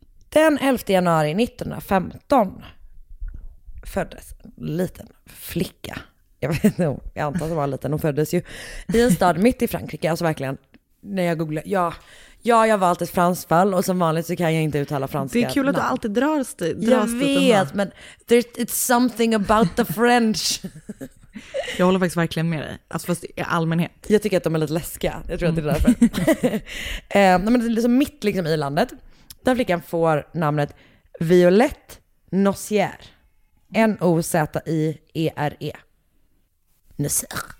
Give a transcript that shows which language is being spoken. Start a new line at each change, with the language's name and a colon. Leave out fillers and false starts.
Swedish: Den 11 januari 1915 föddes en liten flicka. Jag vet inte, jag antar att hon var liten. Hon föddes ju i en stad mitt i Frankrike. Alltså verkligen. När jag googlar, jag har valt ett fransfall och som vanligt så kan jag inte uttala franska. Det är kul att du alltid dras dit. Jag vet, men
English: it's something about the French.
Swedish: Jag håller faktiskt verkligen med dig, alltså fast i allmänhet. Jag tycker att de är lite läskiga, jag tror att det är därför. men det är liksom mitt liksom i landet. Den flickan får namnet Violette Nocier. N-O-Z-I-E-R-E. Nocier.